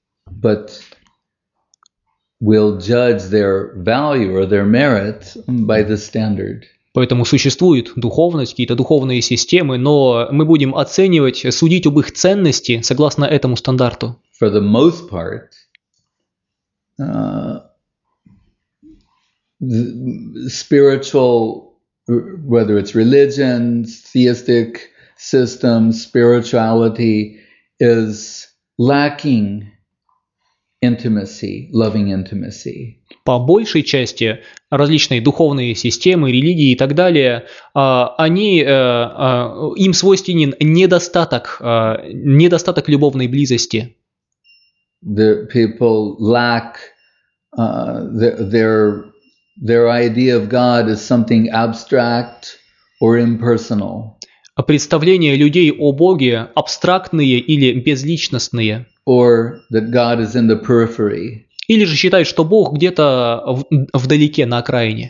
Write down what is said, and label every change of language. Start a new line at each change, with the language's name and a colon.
English: But we'll judge their value or their merit by the standard.
Russian: Поэтому существует духовность, какие-то духовные системы, но мы будем оценивать, судить об их ценности согласно этому стандарту.
English: For the most part, spiritual, whether it's religion, theistic system, spirituality is lacking intimacy, loving intimacy.
Russian: По большей части различные духовные системы, религии и так далее, они, им свойственен недостаток, недостаток любовной близости.
English: The people lack their idea of God is something abstract or impersonal.
Russian: Представления людей о Боге абстрактные или безличностные.
English: Or that God is in the periphery.
Russian: Или же считают, что Бог где-то вдалеке, на окраине.